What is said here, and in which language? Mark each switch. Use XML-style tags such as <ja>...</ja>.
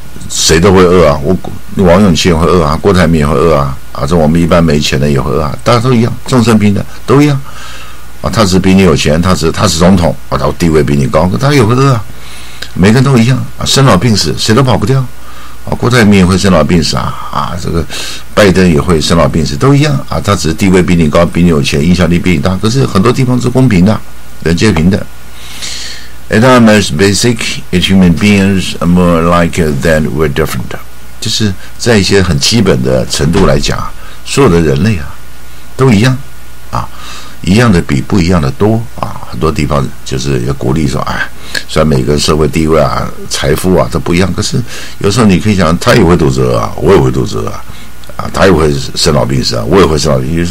<zh>谁都会饿啊，我王永庆会饿啊，郭台铭也会饿啊，啊，这我们一般没钱的也会饿啊，大家都一样，众生平等都一样，啊，他是比你有钱，他是总统，啊，他地位比你高，他也会饿啊，每个人都一样啊，生老病死谁都跑不掉，啊，郭台铭也会生老病死啊，这个拜登也会生老病死，都一样啊，他只是地位比你高，比你有钱，影响力比你大，可是很多地方是公平的，人皆平等。</zh> <en>At our most basic, as human beings are more alike than we're different.</en> <zh>就是在一些很基本的程度来讲，所有的人类啊，都一样，啊，一样的比不一样的多啊。很多地方就是要鼓励说，哎，虽然每个社会地位啊、财富啊都不一样，可是有时候你可以想，他也会肚子饿啊，我也会肚子饿啊，啊，他也会生老病死啊，我也会生老病死。</zh>